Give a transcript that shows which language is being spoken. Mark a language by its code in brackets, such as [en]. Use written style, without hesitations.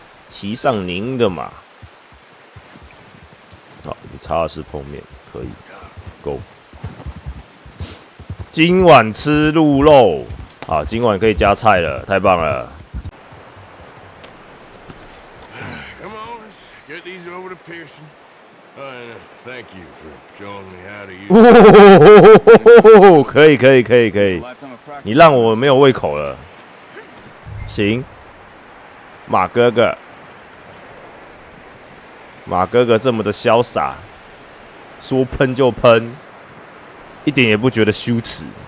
[zh] 骑上您的马，好，你擦的是碰面，可以 ，Go。今晚吃鹿肉，啊，今晚可以加菜了，太棒了。 [en] Come on, let's get these over to Pearson. Thank you for showing me how to use. [zh] 可以，你让我没有胃口了。行，马哥哥。马哥哥这么的潇洒，说喷就喷，一点也不觉得羞耻。